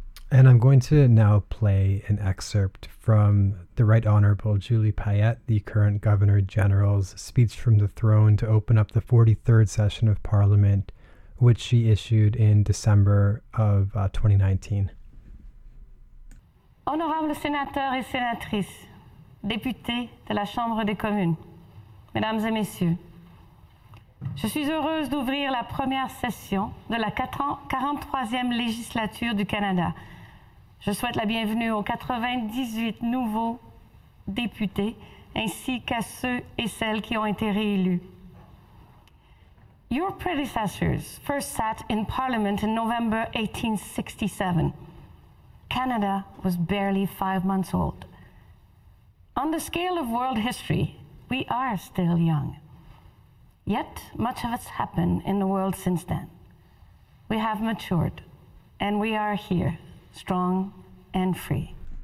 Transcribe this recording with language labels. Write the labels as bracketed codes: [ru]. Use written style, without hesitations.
[en] And I'm going to now play an excerpt from the Right Honourable Julie Payette, the current Governor General's speech from the throne to open up the 43rd session of Parliament, which she issued in December of 2019. [fr] Honorable sénateurs et sénatrices, députés de la Chambre des communes, mesdames et messieurs, je suis heureuse d'ouvrir la première session de la 43e législature du Canada. Je souhaite la bienvenue aux 98 nouveaux députés ainsi qu'à ceux et celles qui ont été réélus. [en] Your predecessors first sat in Parliament in November 1867. Canada was barely 5 months old. On the scale of world history, we are still young. Yet, much of it's happened in the world since then. We have matured, and we are here, strong and free.